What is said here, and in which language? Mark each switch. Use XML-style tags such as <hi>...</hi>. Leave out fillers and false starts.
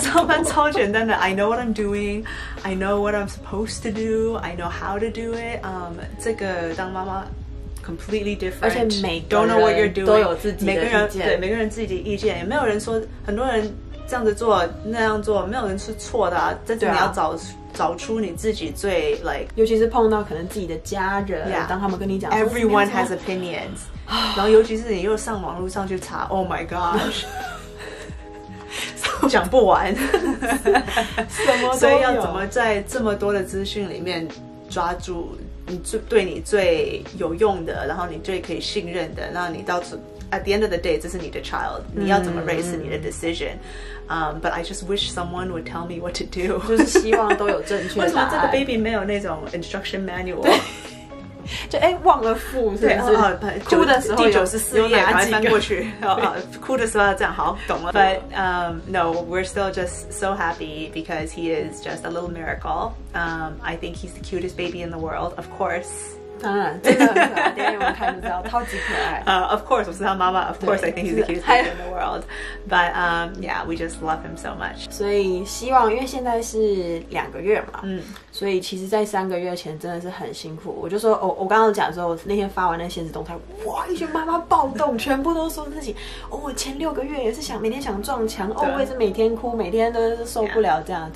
<zh>上班超简单的。</zh> <en>I know what I'm doing, I know what I'm supposed to do, I know how to do it。</en> <zh>这个当妈妈。</zh> <en>Completely different.</en> <zh>而且每个人都有自己的意见，每个人对每个人自己的意见，也没有人说很多人这样子做那样做，没有人是错的啊。但是你要找出你自己最 like，尤其是碰到可能自己的家人， yeah, 当他们跟你讲，</zh> <en>Everyone has opinions，</en> <zh>然后尤其是你又上网路上去查，</zh> <en>Oh my gosh。</en> <zh>讲不完，什么都有，所以要怎么在这么多的资讯里面抓住你最对你最有用的，然后你最可以信任的，那你到时</zh> <en>at the end of the day，</en> <zh>这是你的 child， 你要怎么 raise 你的 decision？</zh> <en>But I just wish someone would tell me what to do，</en> <zh>就是希望都有正确的答案。为什么这个 baby 没有那种 instruction manual？就哎忘了付是不是对、哭的时候有第94页赶快翻过去哭的时候要这样好懂了</zh> <en>but no we're still just so happy because he is just a little miracle I think he's the cutest baby in the world of course</en> <zh>当然真的很可爱等一下我们看就知道超级可爱</zh> <en>of course</en> <zh>我是他妈妈</zh> <en>of course I think he's the cutest baby in the world but yeah we just love him so much</en> <zh>所以希望因为现在是两个月嘛所以其实在三个月前真的是很辛苦我就说、哦、我刚刚讲的时候那天发完那限制动态哇一群妈妈暴动全部都说自己哦，我前六个月也是想每天想撞墙哦，我也是每天哭每天都是受不了这样、yeah.</zh>